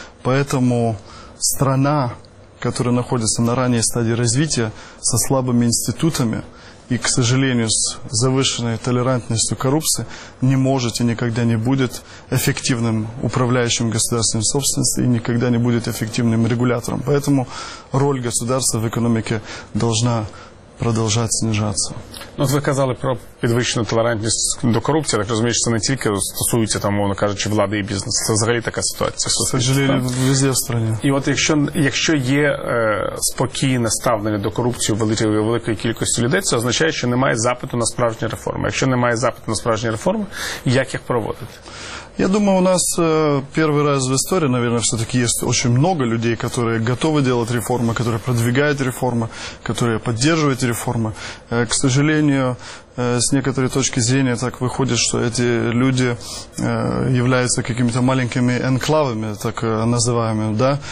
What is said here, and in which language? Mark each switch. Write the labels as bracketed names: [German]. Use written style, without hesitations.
[Russian] Поэтому страна, которая находится на ранней стадии развития, со слабыми институтами и, к сожалению, с завышенной толерантностью коррупции, не может и никогда не будет эффективным управляющим государственной собственностью и никогда не будет эффективным регулятором. Поэтому роль государства в экономике должна продолжать снижаться. [Ukrainian] Ну, ви казали про підвищену толерантність до корупції, так розумієш, це не тільки стосується, там, мовно кажучи, влади і бізнесу. Це взагалі така ситуація. [Russian] К сожалению, везде в стране. [Ukrainian] І от якщо є спокійне ставлення до корупції великої кількості людей, це означає, що немає запиту на справжні реформи. Якщо немає запиту на справжні реформи, як їх проводити? [Russian] Я думаю, у нас первый раз в истории, наверное, все-таки есть очень много людей, которые готовы делать реформы, которые продвигают реформы, которые поддерживают реформы. К сожалению, с некоторой точки зрения так выходит, что эти люди являются какими-то маленькими энклавами, так называемыми. Да?